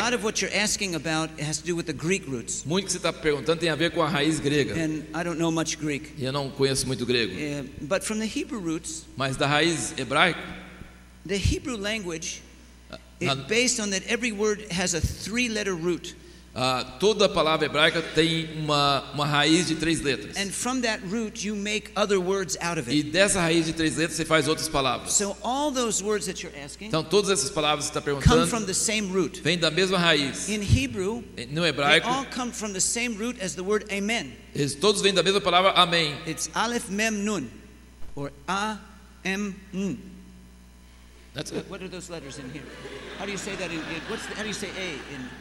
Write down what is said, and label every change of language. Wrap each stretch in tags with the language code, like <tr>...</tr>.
<en>A lot of what you're asking about has to do with the Greek roots.</en> <pt>Muito que você está perguntando tem a ver com a raiz grega.</pt> <en>And I don't know much Greek.</en> <pt>E eu não conheço muito grego.</pt> <en>But from the Hebrew roots.</en> <pt>Mas da raiz hebraica.</pt> <en>The Hebrew language is based on that every word has a three-letter root.</en> <pt>Toda palavra hebraica tem uma raiz de três letras.</pt> <en>And from that root you make other words out of it.</en> <pt>E dessa raiz de três letras você faz outras palavras.</pt> <en>So all those words that you're asking,</en> <pt>então todas essas palavras que você está perguntando,</pt> <en>come from the same root.</en> <pt>Vêm da mesma raiz.</pt> <en>In Hebrew,</en> <pt>no hebraico,</pt> <en>they all come from the same root as the word amen.</en> <pt>Eles todos vêm da mesma palavra amém.</pt> <en>It's aleph mem nun, or a m nun. That's it. What are those letters in here? How do you say that in what's the, how do you say A in</en>